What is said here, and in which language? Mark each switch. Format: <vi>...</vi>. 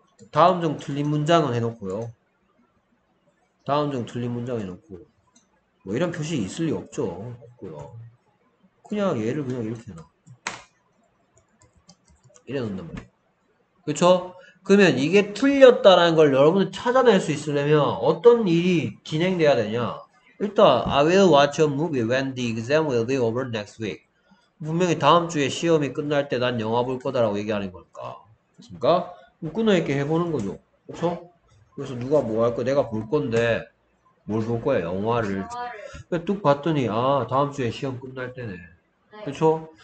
<ko>다음 중 틀린 문장은 해놓고요. 다음 중 틀린 문장 해놓고 뭐 이런 표시 있을 리 없죠. 없고요. 그냥 얘를 그냥 이렇게 놔. 이래 놓는단 말이에요. 그쵸? 그러면 이게 틀렸다라는 걸 여러분들 찾아낼 수 있으려면 어떤 일이 진행돼야 되냐. 일단</ko> <en>I will watch a movie when the exam will be over next week.</en> <ko>분명히 다음 주에 시험이 끝날 때 난 영화 볼 거다라고 얘기하는 걸까. 그렇습니까? 끊어 있게 해보는 거죠. 그쵸? 그래서 누가 뭐 할 거 내가 볼 건데 뭘 볼 거야? 영화를. 영화를. 뚝 봤더니 아 다음 주에 시험 끝날 때네. 네. 그쵸?</ko>